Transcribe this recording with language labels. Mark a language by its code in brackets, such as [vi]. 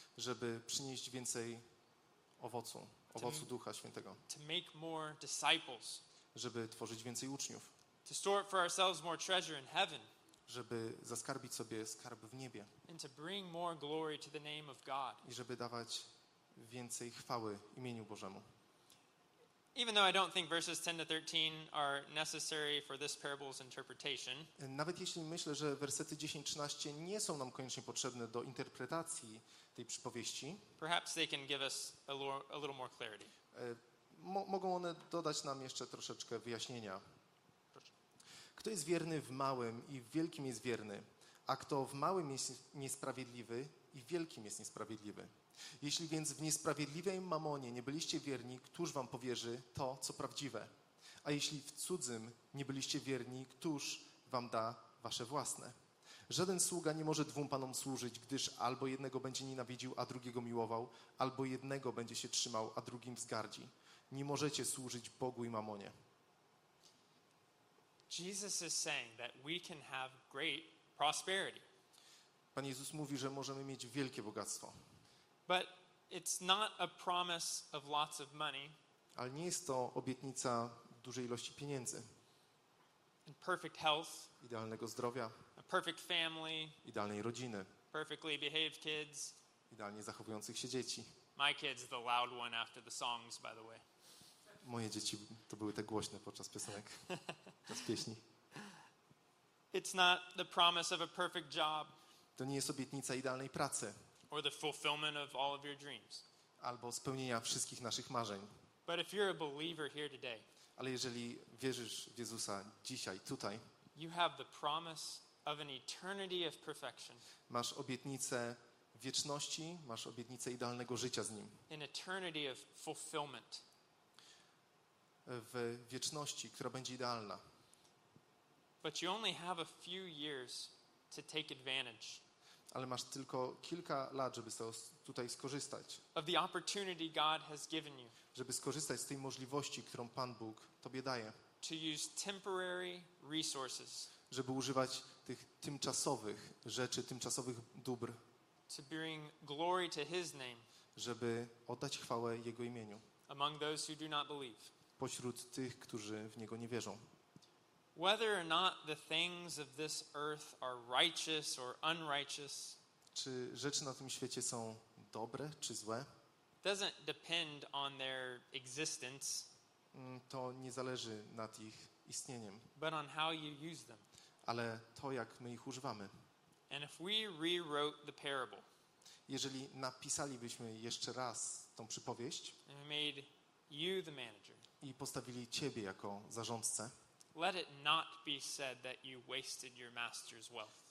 [pl] żeby przynieść więcej owocu, owocu Ducha Świętego, [en] to make more disciples, [pl] żeby tworzyć więcej uczniów, [en] to store for ourselves more treasure in heaven, [pl] żeby zaskarbić sobie skarb w niebie, [en] and to bring more glory to the name of God, [pl] i żeby dawać więcej chwały imieniu Bożemu. [en] Even though I don't think verses 10 to 13 are necessary for this parable's interpretation, [pl] nawet jeśli myślę, że wersety 10-13 nie są nam koniecznie potrzebne do interpretacji tej przypowieści, [en] perhaps they can give us a little more clarity. [pl] Mogą one dodać nam jeszcze troszeczkę wyjaśnienia. Kto jest wierny w małym i w wielkim jest wierny, a kto w małym jest niesprawiedliwy i w wielkim jest niesprawiedliwy. Jeśli więc w niesprawiedliwej mamonie nie byliście wierni, któż wam powierzy to, co prawdziwe? A jeśli w cudzym nie byliście wierni, któż wam da wasze własne? Żaden sługa nie może dwóm panom służyć, gdyż albo jednego będzie nienawidził, a drugiego miłował, albo jednego będzie się trzymał, a drugim wzgardzi. Nie możecie służyć Bogu i mamonie. [en] Jesus is saying that we can have great prosperity. [pl] Pan Jezus mówi, że możemy mieć wielkie bogactwo. [en] But it's not a promise of lots of money. [pl] Ale nie jest to obietnica dużej ilości pieniędzy. [en] And perfect health. [pl] Idealnego zdrowia. [en] A perfect family. [pl] Idealnej rodziny. [en] Perfectly behaved kids. [pl] Idealnie zachowujących się dzieci. [en] My kids, the loud one after the songs, by the way. [pl] Moje dzieci to były te głośne podczas piosenek, podczas pieśni. [en] It's not the promise of a perfect job. [pl] To nie jest obietnica idealnej pracy. [en] Or the fulfillment of all of your dreams. [pl] Albo spełnienia wszystkich naszych marzeń. [en] But if you're a believer here today, [pl] ale jeżeli wierzysz w Jezusa dzisiaj, tutaj, [en] you have the promise of an eternity of perfection. [pl] Masz obietnicę wieczności, masz obietnicę idealnego życia z Nim. [en] An eternity of fulfillment. [pl] W wieczności, która będzie idealna. [en] But you only have a few years to take advantage. [pl] Ale masz tylko kilka lat, żeby z tego tutaj skorzystać. [en] Of the opportunity God has given you. [pl] Żeby skorzystać z tej możliwości, którą Pan Bóg tobie daje. [en] To use temporary resources. [pl] Żeby używać tych tymczasowych rzeczy, tymczasowych dóbr. [en] To bring glory to His name. [pl] Żeby oddać chwałę Jego imieniu. [en] Among those who do not believe. [pl] Pośród tych, którzy w Niego nie wierzą. [en] Whether or not the things of this earth are righteous or unrighteous, [pl] czy rzeczy na tym świecie są dobre czy złe, [en] doesn't depend on their existence, [pl] to nie zależy nad ich istnieniem, [en] but on how you use them, [pl] ale to, jak my ich używamy. [en] And if we rewrote the parable, [pl] jeżeli napisalibyśmy jeszcze raz tą przypowieść, [en] and we made you the manager, [pl] i postawili ciebie jako zarządcę, [en] let it not be said that you wasted your master's wealth.